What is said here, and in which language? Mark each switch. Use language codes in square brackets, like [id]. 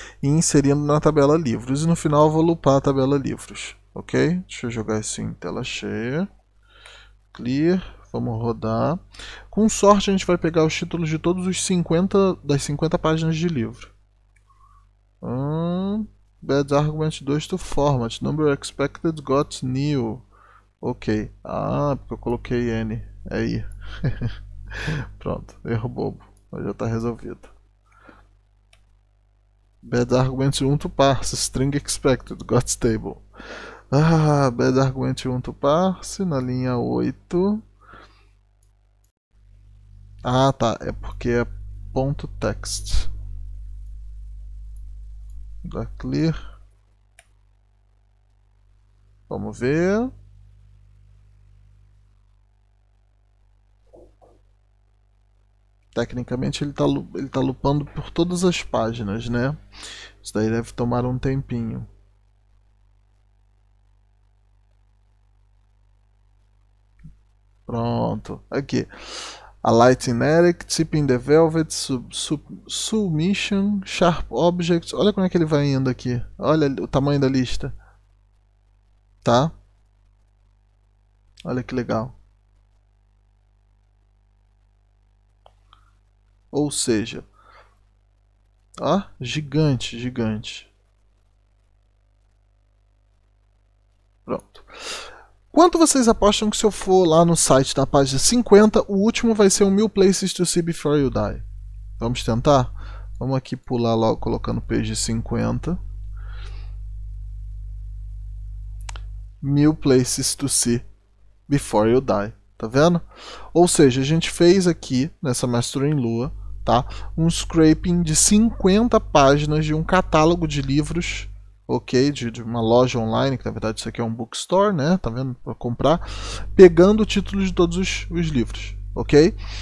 [pt] E inserindo na tabela livros. E no final eu vou lupar a tabela livros, ok? Deixa eu jogar isso em tela cheia. Clear. Vamos rodar. Com sorte a gente vai pegar os títulos de todos os 50 das 50 páginas de livro. [en] Bad argument 2 to format. Number expected got new. [pt] Ok. Ah, porque eu coloquei N. É aí. Pronto, erro bobo, mas já está resolvido. [en] Bad argument 1 to parse, string expected, got stable. Ah, bad argument 1 to parse [pt] na linha 8. Ah, tá, é porque é ponto text. Dá clear. Vamos ver. Tecnicamente ele tá lupando por todas as páginas, né? Isso daí deve tomar um tempinho. Pronto. Aqui. [en] A Light in Eric, Tipping the Velvet, Submission, Sharp Objects. [pt] Olha como é que ele vai indo aqui. Olha o tamanho da lista. Tá? Olha que legal. Ou seja, ó, gigante, gigante. Pronto. Quanto vocês apostam que se eu for lá no site da página 50, o último vai ser o 1000 places to see before you die? Vamos tentar? Vamos aqui pular logo colocando page 50. [en] 1000 places to see before you die. [pt] Tá vendo? Ou seja, a gente fez aqui nessa Master in Lua. Tá? Um scraping de 50 páginas de um catálogo de livros, ok? De uma loja online, que na verdade isso aqui é um bookstore, né? Tá vendo? Para comprar, pegando o título de todos os livros, ok?